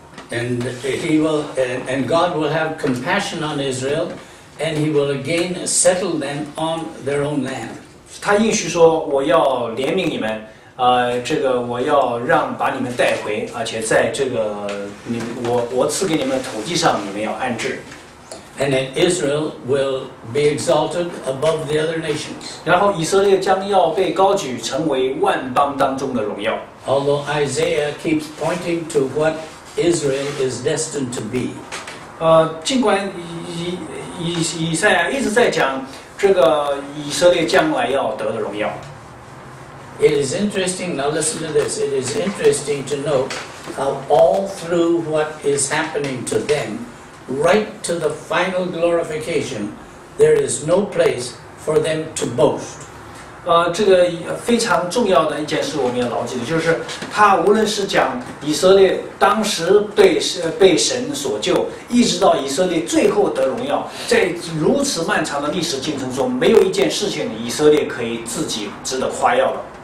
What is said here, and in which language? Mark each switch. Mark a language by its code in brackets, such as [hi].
[en] And God will have compassion on Israel, and He will again settle them on their own land. [zh] 他应许说，我要怜悯你们，这个我要让把你们带回，而且在这个你我赐给你们的土地上，你们要安置。 [en] And then Israel will be exalted above the other nations. [zh] 然后以色列将要被高举，成为万邦当中的荣耀。 [en] Although Isaiah keeps pointing to what Israel is destined to be. [zh] 尽管以赛亚一直在讲这个以色列将来要得的荣耀。 [en] It is interesting, now listen to this, it is interesting to note how all through what is happening to them, right to the final glorification, there is no place for them to boast. [zh] 这个非常重要的一件事我们要牢记的，就是他无论是讲以色列当时被神所救，一直到以色列最后得荣耀，在如此漫长的历史进程中，没有一件事情以色列可以自己值得夸耀的。